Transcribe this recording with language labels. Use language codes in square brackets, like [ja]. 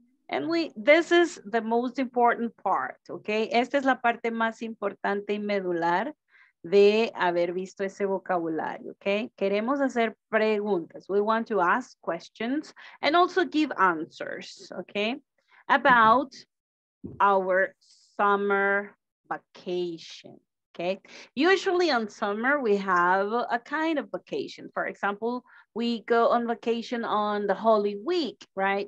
[en] And this is the most important part, okay? [es] Esta es la parte más importante y medular de haber visto ese vocabulario, okay? Queremos hacer preguntas. [en] We want to ask questions and also give answers, okay? About our summer vacation, okay? Usually on summer, we have a kind of vacation. For example, we go on vacation on the Holy Week, right?